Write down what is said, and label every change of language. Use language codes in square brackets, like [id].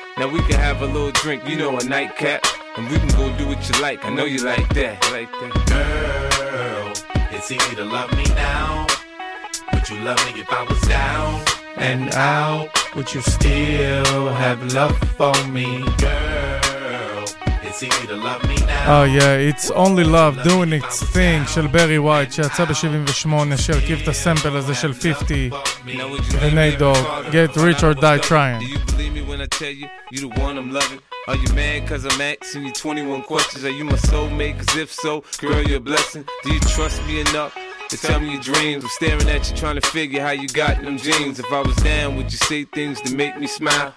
[en] Now we can have a little drink, you know, a nightcap. And we can go do what you like, I know you like that. Girl, it's easy to love me now. Would you love me if I was down and out? Would you still have love for me, girl? [he] אה, יא, it's only love doing its thing של ברי ווייט שיצא ב-78 שהרכיב את הסמפל הזה של 50 ונייט דוג, get rich or die trying. [en] Do you believe me when I tell you, you the one I'm loving? Are you mad cause I'm asking you 21 questions? Are you my soulmate? Cause if so, girl, you're a blessing. Do you trust me enough to tell me your dreams? I'm staring at you trying to figure how you got in them jeans. If I was down, would you say things to make me smile?